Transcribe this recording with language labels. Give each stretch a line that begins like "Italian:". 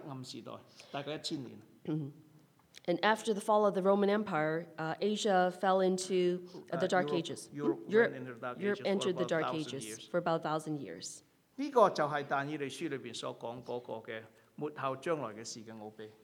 Cantonese: 所以跟住系去到主后大概500年之后咧，欧洲入咗呢个黑暗时代，大概1000年。
English: And after the fall of the Roman Empire, Asia fell into the Dark Ages. Europe entered the Dark Ages for about 1,000 years.
Cantonese: 这个就是但以利书里面所讲嗰个嘅末后将来嘅事嘅奥秘。